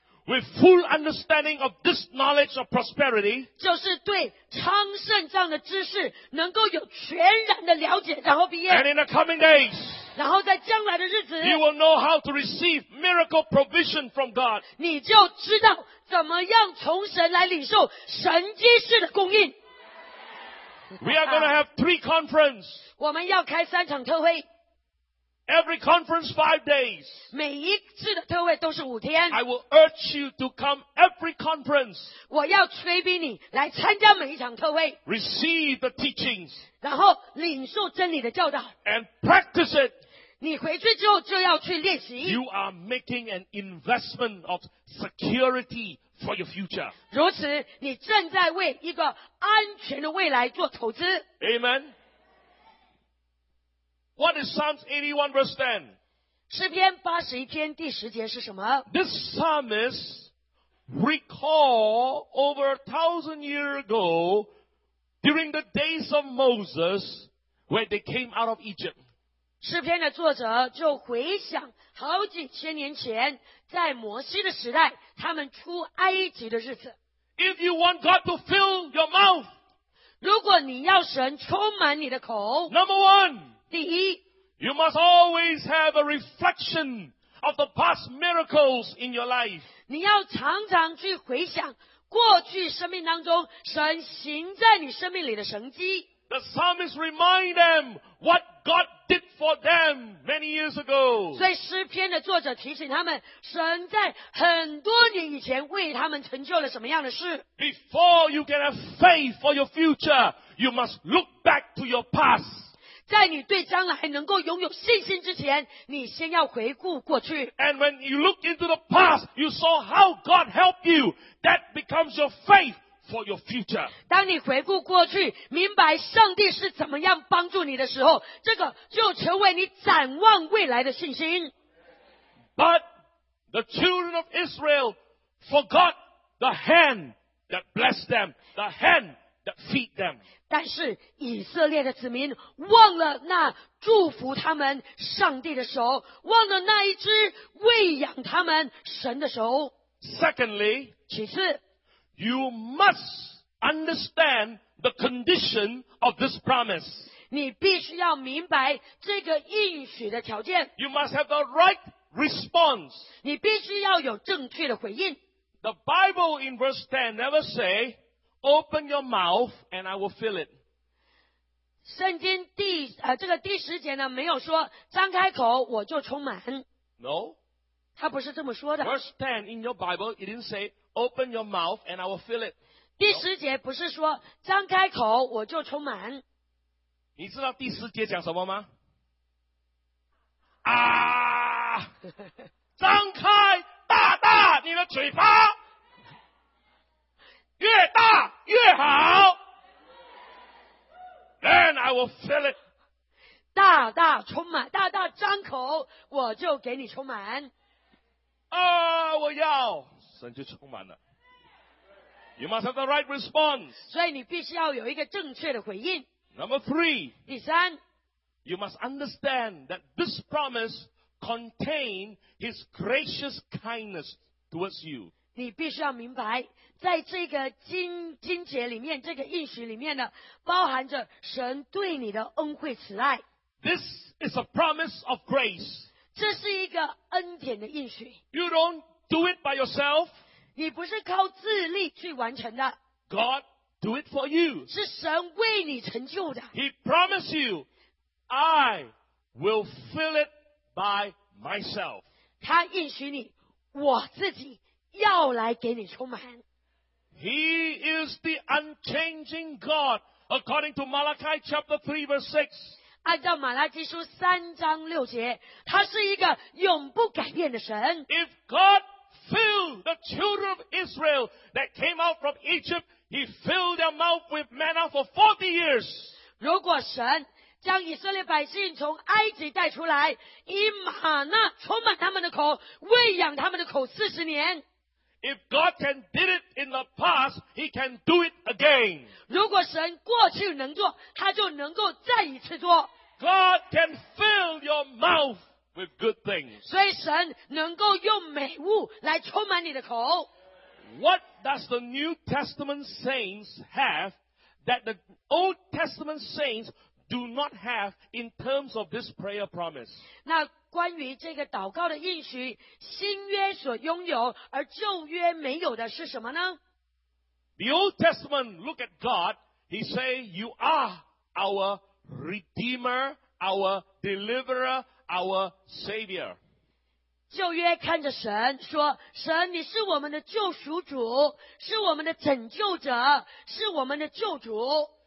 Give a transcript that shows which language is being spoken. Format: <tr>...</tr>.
<en>With full understanding of this knowledge of prosperity.</en> <zh>就是对昌盛这样的知识能够有全然的了解然后毕业。</zh> <en>And in the coming days.</en> <zh>然后在将来的日子，</zh> <en>you will know how to receive miracle provision from God.</en> <zh>你就知道怎么样从神来领受神迹式的供应。</zh> <en>We are going to have 3 conferences.</en> <zh>我们要开三场特会。</zh> <en>Every conference 5 days.</en> <zh>每一次的特会都是5天。</zh> <en>I will urge you to come every conference.</en> <zh>我要催逼你来参加每一场特会。</zh> <en>Receive the teachings.</en> <zh>然后领受真理的教导。</zh> <en>And practice it.</en> <zh>你回去之后就要去练习。</zh> <en>You are making an investment of security for your future.</en> <zh>如此，你正在为一个安全的未来做投资。</zh> <en>Amen. What is Psalms 81 verse 10?</en> <zh>诗篇81篇第十节是什么？</zh> <en>This psalmist recall over 1,000 years ago during the days of Moses when they came out of Egypt.</en> <zh>诗篇的作者就回想好几千年前在摩西的时代他们出埃及的日子。</zh> <en>If you want God to fill your mouth,</en> <zh>如果你要神充满你的口，</zh> <en>Number one,</en> <zh>第一，</zh> <en>you must always have a reflection of the past miracles in your life.</en> <zh>你要常常去回想过去生命当中神行在你生命里的神迹。</zh> <en>The psalmist reminds them what God did for them many years ago.</en> <zh>所以诗篇的作者提醒他们，神在很多年以前为他们成就了什么样的事。</zh> <en>Before you can have faith for your future, you must look back to your past.</en> <zh>在你对将来能够拥有信心之前，你先要回顾过去。</zh> <en>And when you look into the past, you saw how God helped you. That becomes your faith. For your future.</en> <zh>当你回顾过去，明白上帝是怎么样帮助你的时候，这个就成为你展望未来的信心。</zh> <en>But the children of Israel forgot the hand that blessed them, the hand that feed them.</en> <zh>但是以色列的子民忘了那祝福他们上帝的手，忘了那一只喂养他们神的手。</zh> <en>Secondly,</en> <zh>其次。</zh> <en>You must understand the condition of this promise.</en> <zh>你必须要明白这个应许的条件。</zh> <en>You must have the right response.</en> <zh>你必须要有正确的回应。</zh> <en>The Bible in verse 10 never say, open your mouth and I will fill it.</en> <zh>圣经第这个第十节呢没有说张开口我就充满。</zh> <en>No.</en> <zh>他不是这么说的。</zh> <en>Verse 10 in your Bible, it didn't say,Open your mouth and I will fill it.</en> <zh>第十节不是说张开口我就充满。你知道第十节讲什么吗？啊！张开大大你的嘴巴，越大越好。</zh> <en>Then I will fill it.</en> <zh>大大充满，大大张口，我就给你充满。啊！我要。神就充满了。</zh> <en>You must have the right response.</en> <zh>所以你必须要有一个正确的回应。</zh> <en>Number three.</en> <zh>第三。</zh> <en>You must understand that this promise contains His gracious kindness towards you.</en> <zh>你必须要明白，在这个经节里面，这个应许里面呢，包含着神对你的恩惠慈爱。</zh> <en>This is a promise of grace.</en> <zh>这是一个恩典的应许。</zh> <en>You don't. Do it by yourself.</en> <zh>你不是靠自力去完成的。</zh> <en>God do it for you.</en> <zh>是神为你成就的。</zh> <en>He promised you, I will fill it by myself.</en> <zh>他应许你，我自己要来给你充满。</zh> <en>He is the unchanging God, according to Malachi chapter 3 verse 6.</en> <zh>按照马拉基书三章六节，他是一个永不改变的神。</zh> <en>If God Fill the children of Israel that came out from Egypt. He filled their mouth with manna for 40 years.</en> <zh>如果神将以色列百姓从埃及带出来，以玛纳充满他们的口，喂养他们的口40年。</zh> <en>If God can did it in the past, He can do it again.</en> <zh>如果神过去能做，他就能够再一次做。</zh> <en>God can fill your mouth. With good things.</en> <zh>所以神能够用美物来充满你的口。</zh> <en>What does the New Testament saints have that the Old Testament saints do not have in terms of this prayer promise?</en> <zh>那关于这个祷告的应许，新约所拥有而旧约没有的是什么呢？</zh> <en>The Old Testament look at God, he say, you are our Redeemer, our Deliverer,Our Savior.</en> <zh>旧约看着神说，神你是我们的救赎主，是我们的拯救者，是我们的救主。</zh>